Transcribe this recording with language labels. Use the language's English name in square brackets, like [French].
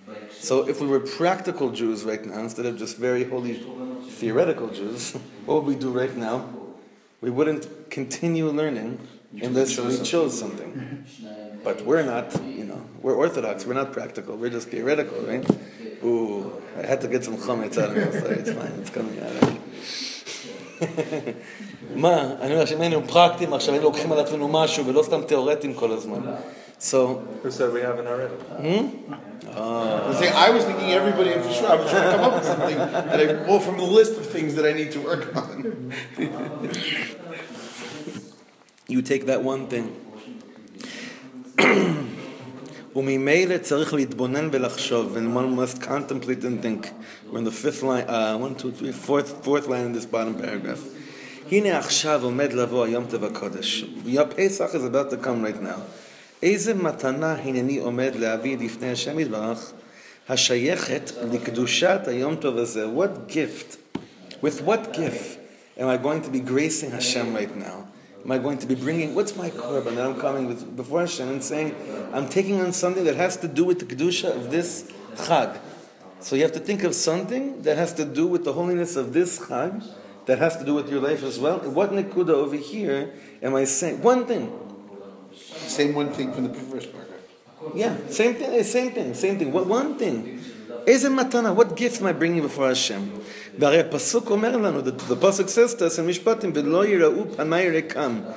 [English] So if we were practical Jews right now, instead of just very holy theoretical Jews, what would we do right now? We wouldn't continue learning unless we chose something. But we're not, you know, we're Orthodox, we're not practical, we're just theoretical, right? Ooh, I had to get some chametz out of me, sorry, it's fine, it's coming out of me. [Hebrew] מה? אני אומר שאם היינו פרקטיים, עכשיו היינו לוקחים על עצמנו משהו, ולא סתם תיאורטים כל הזמן. [English] So... Who said we haven't already? See, I was thinking everybody, for sure, I was trying to come up with something that I pull from the list of things that I need to work on. You take that one thing. [Hebrew] וממילא צריך להתבונן ולחשוב, [English] and one must contemplate and think. We're in the fifth line, one, two, three, fourth line in this bottom paragraph. [Hebrew] הנה עכשיו עומד לבוא היום טוב הקודש. [English] פסח is about to come right now. [Hebrew] איזה מתנה הנני עומד להביא לפני השם יתברך, השייכת לקדושת היום טוב הזה. [English] What gift, with what gift am I going to be gracing Hashem right now? Am I going to be bringing, what's my korban that I'm coming with before Hashem and saying, I'm taking on something that has to do with the Kedusha of this Chag. So you have to think of something that has to do with the holiness of this Chag, that has to do with your life as well. What Nekuda over here am I saying? One thing. Same one thing from the first part. Yeah, same thing. One thing. [Hebrew] איזה מתנה, [English] what gift am I bringing before Hashem? [Hebrew] והרי הפסוק אומר לנו, [English] the pasuk says to us in mishpatim, [Hebrew] ולא יראו פניי ריקם.